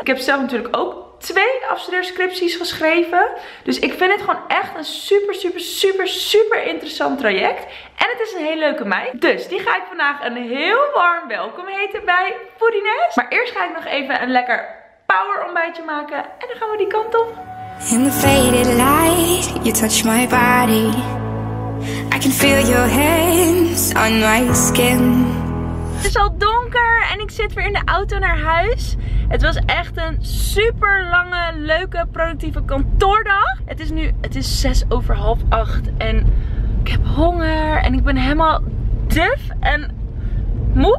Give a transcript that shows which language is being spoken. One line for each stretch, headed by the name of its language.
Dutch: Ik heb zelf natuurlijk ook 2 afstudeerscripties geschreven. Dus ik vind het gewoon echt een super, super, super, super interessant traject. En het is een hele leuke meid. Dus die ga ik vandaag een heel warm welkom heten bij Foodiness. Maar eerst ga ik nog even een lekker power ontbijtje maken. En dan gaan we die kant op.
English: In the faded light, you touch my body. I can feel your hands on my skin.
Dutch: Het is al donker en ik zit weer in de auto naar huis. Het was echt een super lange, leuke, productieve kantoordag. Het is 6:30 en ik heb honger en ik ben helemaal duf en moe.